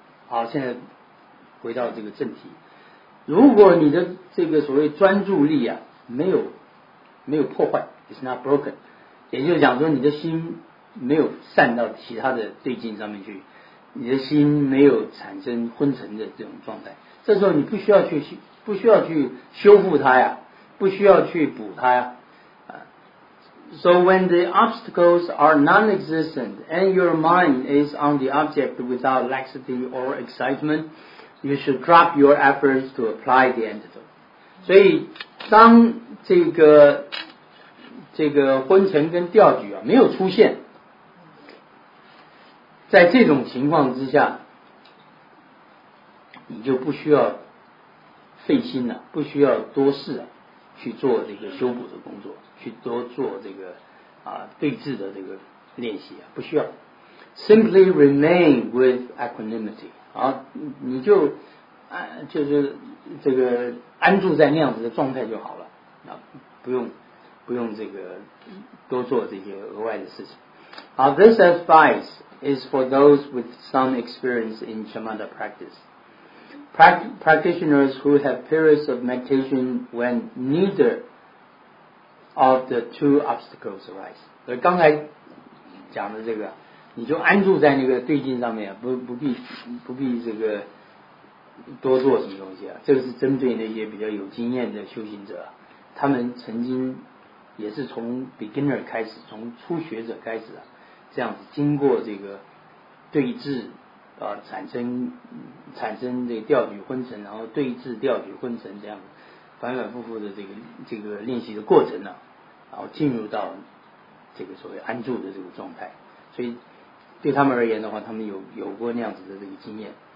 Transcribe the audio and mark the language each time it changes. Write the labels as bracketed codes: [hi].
[zh] 好，现在回到这个正题，如果你的这个所谓专注力啊没有破坏 ， [en] is not broken。 [zh] 也就是讲说你的心没有散到其他的对境上面去，你的心没有产生昏沉的这种状态，这时候你不需要去修复它呀，不需要去补它呀。 [en] So when the obstacles are non-existent and your mind is on the object without laxity or excitement, you should drop your efforts to apply the antidote。 [zh] 所以当这个昏沉跟调举啊没有出现，在这种情况之下，你就不需要费心了，不需要多事了，去做这个修补的工作，去多做这个啊对峙的这个练习啊，不需要。 [en] Simply remain with equanimity， [zh] 啊，你就就是这个安住在那样子的状态就好了，啊，不用这个多做这些额外的事情。 [en] 好， This advice is for those with some experience in shamatha practice. Practitioners who have periods of meditation when neither of the two obstacles arise. [zh] 所以刚才讲的这个，你就安住在那个对境上面，不必这个多做什么东西啊。这个是针对那些比较有经验的修行者，他们曾经也是从 beginner 开始，从初学者开始啊，这样子经过这个对峙啊，产生这个调举昏沉，然后对峙调举昏沉这样子反反复复的这个练习的过程呢，啊，然后进入到这个所谓安住的这个状态，所以对他们而言的话，他们有过那样子的这个经验。